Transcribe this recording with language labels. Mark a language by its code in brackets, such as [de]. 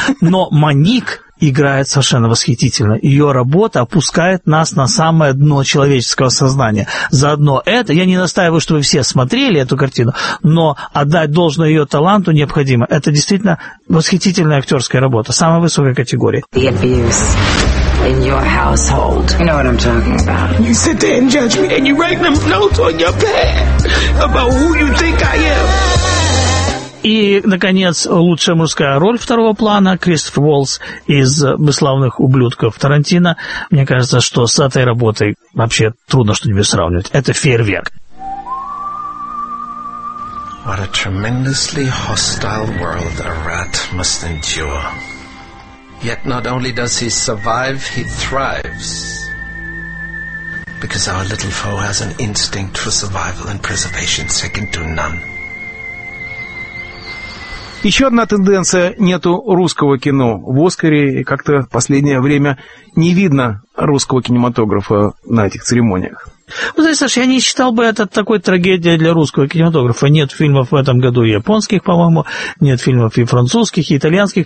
[ru] Но Моник играет совершенно восхитительно. Ее работа опускает нас на самое дно человеческого сознания. Заодно это, я не настаиваю, чтобы все смотрели эту картину, но отдать должное ее таланту необходимо. Это действительно восхитительная актерская работа, самой высокой категории. [en] The abuse in your household. You know what I'm talking about. You sit there and judge me and you write them notes on your pad about who you think I am. [ru] И, наконец, лучшая мужская роль второго плана – Кристофер Уолтс из «Бесславных ублюдков» Тарантино. Мне кажется, что с этой работой вообще трудно что-нибудь сравнивать. Это фейерверк. [en] What a tremendously hostile world a rat must endure. Yet not only does he survive, he thrives. Because our little foe has an instinct for survival and preservation second to none. [ru] Еще одна тенденция – нету русского кино в «Оскаре», и как-то в последнее время не видно русского кинематографа на этих церемониях. Ну, знаешь, Саша, я не считал бы это такой трагедией для русского кинематографа. Нет фильмов в этом году японских, по-моему, нет фильмов и французских, и итальянских.